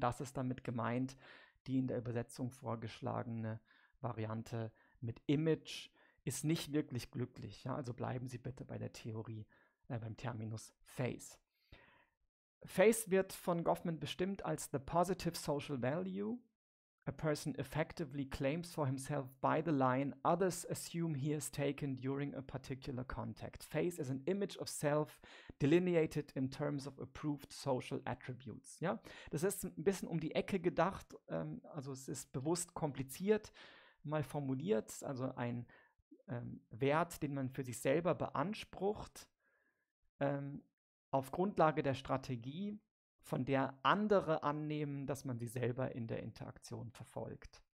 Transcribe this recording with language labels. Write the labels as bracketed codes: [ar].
[de] Das ist damit gemeint, die in der Übersetzung vorgeschlagene Variante mit Image ist nicht wirklich glücklich. Ja? Also bleiben Sie bitte bei der Theorie, beim Terminus Face. Face wird von Goffman bestimmt als the positive social value. [en] A person effectively claims for himself by the line others assume he has taken during a particular contact. Face is an image of self delineated in terms of approved social attributes. [de] Ja? Das ist ein bisschen um die Ecke gedacht. Also es ist bewusst kompliziert mal formuliert. Also ein Wert, den man für sich selber beansprucht, auf Grundlage der Strategie, von der andere annehmen, dass man sie selber in der Interaktion verfolgt.